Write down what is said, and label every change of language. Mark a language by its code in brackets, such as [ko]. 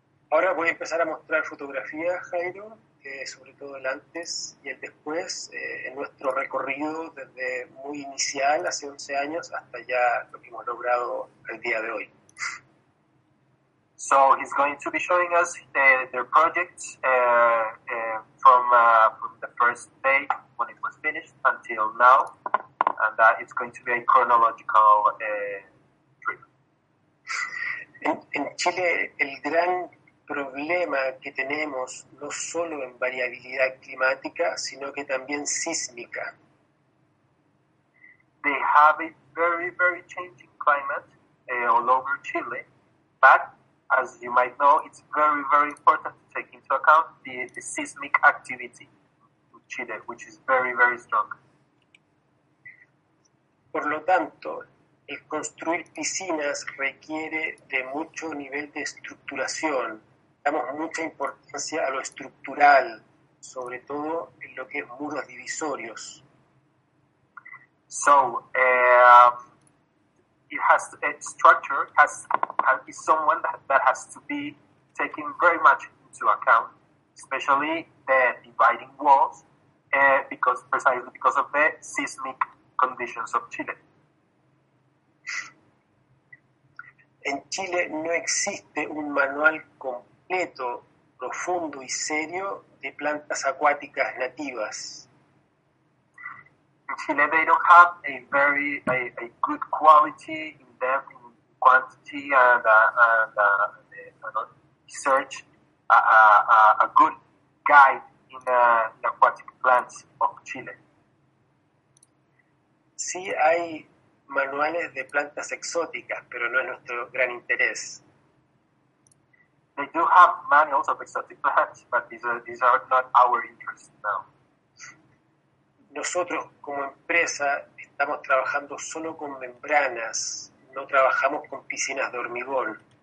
[es] Ahora voy a empezar a mostrar fotografías, Jairo, sobre todo el antes y el después, en nuestro recorrido desde muy inicial, hace 11 años, hasta ya lo que hemos logrado el día de hoy. [en] So he's going to be showing us their projects from the first day when it was finished until now, and that it's going to be a chronological trip. [es] En Chile, el gran problema que tenemos no solo en variabilidad climática, sino que también sísmica. [en] They have a very, very changing climate all over Chile, but as you might know, it's very, very important to take into account the seismic activity in Chile, which is very, very strong. [es] Por lo tanto, el construir piscinas requiere de mucho nivel de estructuración. Damos mucha importancia a lo estructural, sobre todo en lo que es muros divisorios. [en] So, it has its structure has is someone that has to be taken very much into account, especially the dividing walls, because of the seismic conditions of Chile. [es] En Chile no existe un manual completo, profundo y serio de plantas acuáticas nativas. [en] In Chile, they don't have a very a good quality in depth, in quantity, and a good guide in aquatic plants of Chile. [es] Sí, hay manuales de plantas exóticas, pero no es nuestro gran interés. [en] They do have manuals of exotic plants, but these are not our interest now. [es] nosotros como empresa estamos trabajando solo con membranas, no trabajamos con piscinas de hormigón.